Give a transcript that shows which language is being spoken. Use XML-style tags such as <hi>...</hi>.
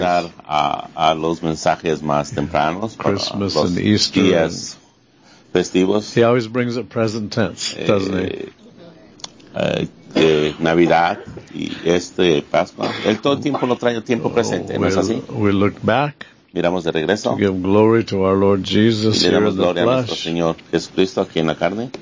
<es>Puede regresar a los mensajes más tempranos para</es> <en>Christmas</en> <es>los</es> <en>and Easter</en> <es>días festivos.</es> <en>He always brings it present tense, doesn't he?</en> <es>Navidad y Pascua. Él todo el tiempo lo trae a tiempo presente, ¿no es así?</es> <en>We look back.</en> <es>Miramos de regreso.</es> <en>To give glory to our Lord Jesus here in the flesh.</en> <es>Le damos gloria a nuestro Señor Jesucristo aquí en la carne.</es>